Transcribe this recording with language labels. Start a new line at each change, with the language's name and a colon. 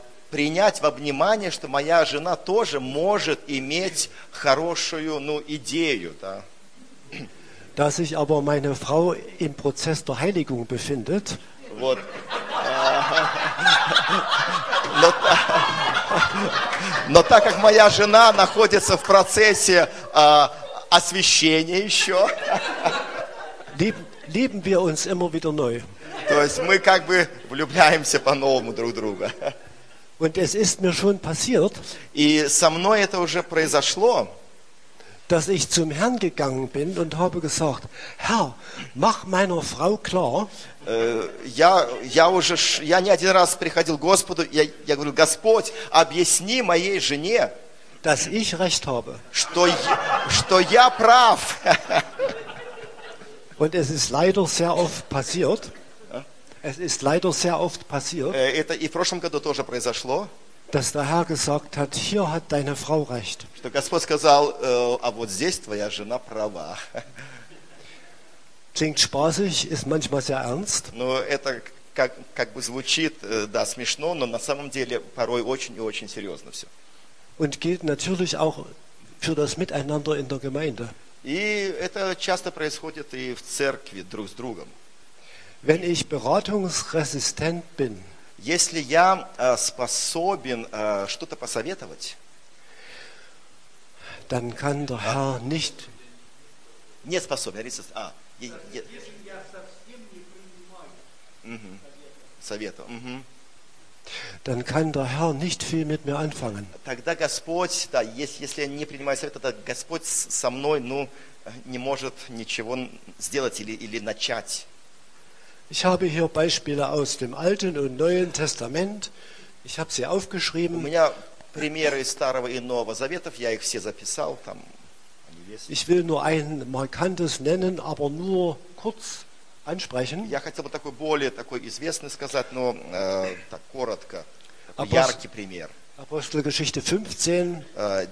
Russian: Принять во внимание, что моя жена тоже может иметь хорошую, ну, идею, да.
German: Dass sich aber meine Frau im Prozess der Heiligung befindet.
Russian: Вот. Но так как моя жена находится в процессе освящения еще,
German: lieben wir uns immer wieder neu.
Russian: То есть мы как бы влюбляемся по-новому друг друга.
German: Und es ist mir schon passiert,
Russian: и со мной это уже произошло,
German: dass ich zum Herrn gegangen bin und habe gesagt, Herr, mach meiner Frau klar.
Russian: Я не один раз приходил к Господу, я говорю, Господь, объясни моей жене,
German: dass ich recht habe.
Russian: Что я прав.
German: Und es ist leider sehr oft passiert. Es ist leider sehr oft passiert.
Russian: Это и в прошлом году тоже произошло.
German: Dass der Herr gesagt hat, hier hat deine Frau recht.
Russian: Что Господь сказал, а вот здесь твоя жена права.
German: Klingt spaßig, ist manchmal sehr ernst.
Russian: Но это как бы звучит, да, смешно, но на самом деле порой очень и очень серьезно все.
German: Und gilt natürlich auch für das Miteinander in der Gemeinde.
Russian: И это часто происходит и в церкви друг с другом.
German: Wenn ich beratungsresistent bin,
Russian: если я способен что-то посоветовать,
German: dann kann der Herr nicht...
Russian: Не способен, если... Если я совсем не принимаю совета,
German: dann kann der Herr nicht viel mit mir anfangen.
Russian: Тогда Господь, да, если я не принимаю совета, то Господь со мной, ну, не может ничего сделать или начать.
German: Ich habe hier Beispiele aus dem Alten und Neuen Testament. Ich habe sie aufgeschrieben.
Russian: У меня примеры из Старого и Нового Заветов, я их все записал там.
German: Ich will nur ein markantes nennen, aber nur kurz ansprechen.
Russian: Я хотел бы такой более такой известный сказать, но так коротко. Яркий пример.
German: Апостолгеschichte 15.